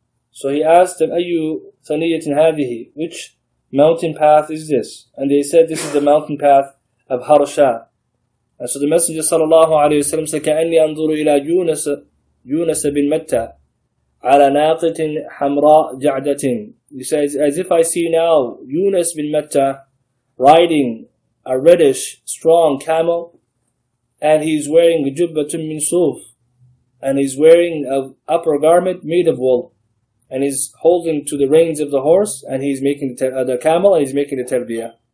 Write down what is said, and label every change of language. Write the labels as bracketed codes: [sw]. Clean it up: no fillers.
[en] So he asked them, [ar] أَيُّ ثَنِيَّةٍ هَذِهِ? [en] Which mountain path is this? And they said, this is the mountain path of Harsha. And so the Messenger sallallahu alayhi wa sallam said, [ar] كَأَنِّي أَنْظُرُ إِلَى يُونَسَ بِن مَتَّى عَلَى نَاقِتٍ حَمْرَى جَعْدَةٍ. [en] He says, as if I see now Yunus bin Matta riding a reddish, strong camel, and he's wearing [ar] جُبَّةٌ مِّن صُوفٍ. [en] And he's wearing an upper garment made of wool. And he's holding to the reins of the horse, and he's making the camel, and he's making the tarbiyah.